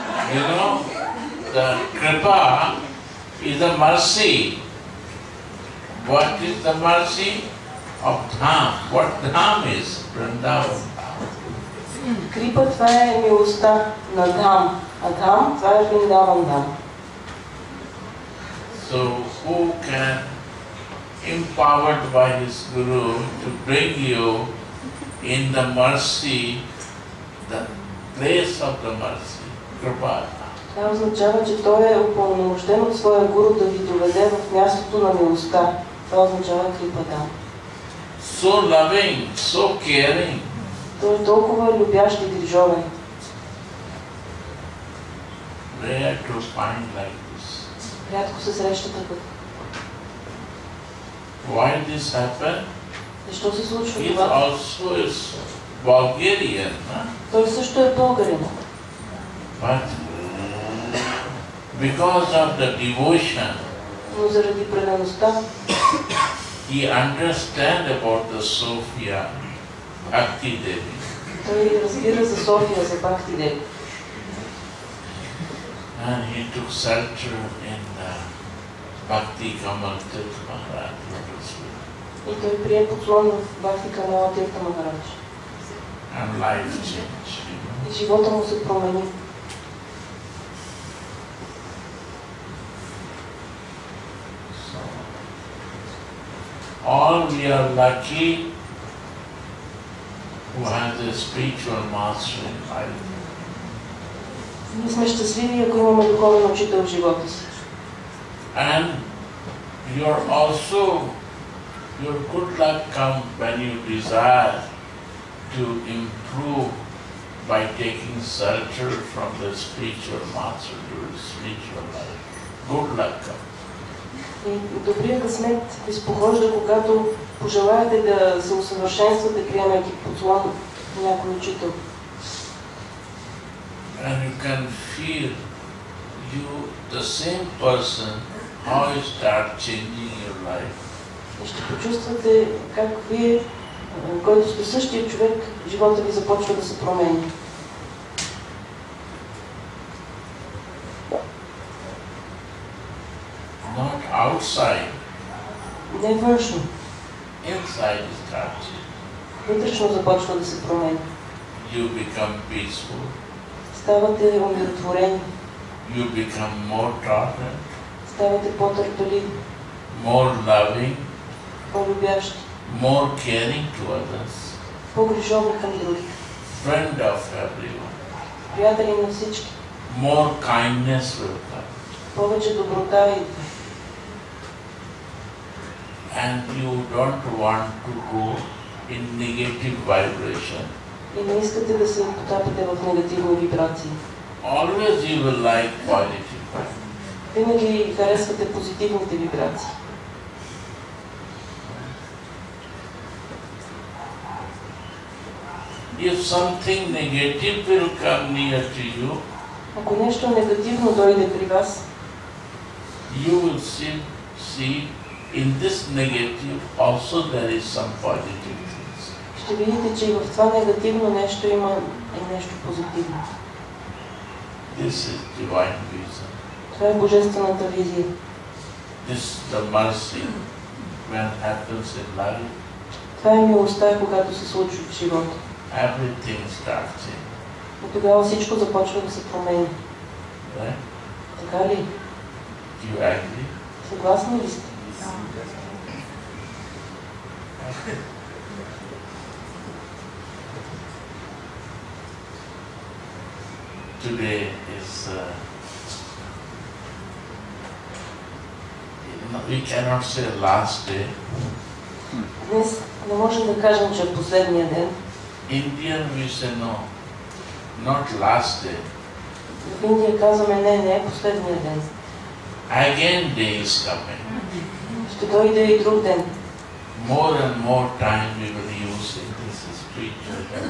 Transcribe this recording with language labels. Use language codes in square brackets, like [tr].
[en] You know, the Kripa is a mercy. What is the mercy of Dham? What Dham is? Vrindavan. [bg] Kripa, това е милостта на Dham. А Dham, това е Vrindavan Dham. [en] So, who can, empowered by his Guru, to bring you in the mercy, the place of the mercy, Kripa? [bg] Това означава, че той е упълномощен от своя Гуру да ви доведе в мястото на милостта. Това означава Крипа Дам. [en] So loving, so caring. [bg] Той е толкова любящ и грижовен. [en] Rare to find like this. [bg] Рядко се среща така. [en] Why this happen? [bg] Защо се случва [en] He [bg] това? [en] Also is Bulgarian, huh? [bg] Той също е българин. [en] But because of the devotion, [bg] но заради предаността, [en] he understand about the Sophia Bhakti Devi. [bg] Той разбира за София, за Бхакти Деви. [en] And he took shelter in Bhakti Kamal Tirth Maharaj. [bg] И той прие поклон в Бхакти Камала Тирта Махарадж. [en] And life changed. [bg] И живота му се промени. [en] All we are lucky who has a spiritual master in life. [bg] Ние сме щастливи, ако имаме духовен учител в живота си. [en] And you are also, your good luck comes when you desire to improve by taking shelter from the spiritual master, your spiritual life. Good luck comes. [bg] И добрия късмет изпохожда, когато пожелаете да се усъвършенствате, приемайки поклон от някой учител. [en] And you can feel you the same person, how you start changing your life. [bg] И ще почувствате как вие, който сте същия човек, живота ви започва да се променя. [en] Not outside. [bg] Не външно. [en] Inside is touching. [bg] Вътрешно започва да се променя. [en] You become peaceful. [bg] Ставате умиротворени. [en] You become more tolerant. [bg] Ставате по-търпелив. [en] More loving. [bg] По-любящ. [en] More caring to others. [bg] По-грижовен към другите. [en] Friend of everyone. [bg] Приятели на всички. [en] More kindness will come. [bg] Повече доброта и [en] and you don't want to go in negative vibration. [bg] И не искате да се потапите в негативни вибрации. [en] Always you will like positive vibration. [bg] Винаги харесвате позитивните вибрации. [en] If something negative will come near to you, [bg] ако нещо негативно дойде при вас, [en] you will see in this negative also there is some positive things. [bg] Ще видите, че и в това негативно нещо има и нещо позитивно. [en] This is divine vision. [bg] Това е божествената визия. [en] is the mercy when it happens in life. [bg] Това е милостта, когато се случва в живота. [en] Everything starts changing. [bg] И тогава всичко започва да се променя. [en] Right? [bg] Така ли? [en] Do you agree? [bg] Съгласни ли сте? [en] Today is we cannot say last day. [bg] Днес не можем да кажем, че е последния ден. [en] Indian we say no, not last day. [bg] В Индия казваме не, не е последния ден. [en] Again day is coming. [bg] Ще дойде и друг ден. [en] More and more time we will use in this spiritual